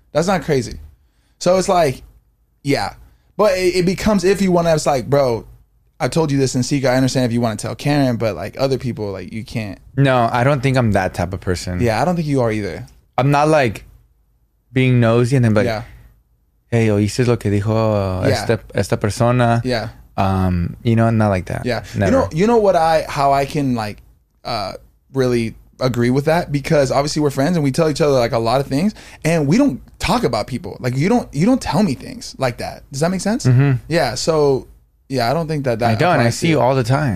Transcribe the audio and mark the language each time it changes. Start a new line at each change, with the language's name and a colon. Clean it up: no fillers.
English: So it's like, yeah. But it becomes if you wanna it's like, bro, I told you this in secret. I understand if you want to tell Karen, but like other people, like you can't. No, I don't think I'm that type of person. Yeah, I don't think you are either. I'm not like being nosy and then like, yeah.
Spanish: Hey, oíste lo que dijo esta persona.
English: Yeah. You know, not like that. Yeah. Never. You know what how I can like really agree with that, because obviously we're friends and we tell each other like a lot of things and we don't talk about people. Like you don't tell me things like that. Does that make sense? Mm-hmm. Yeah. So yeah, I don't think that I don't. I see you all the time.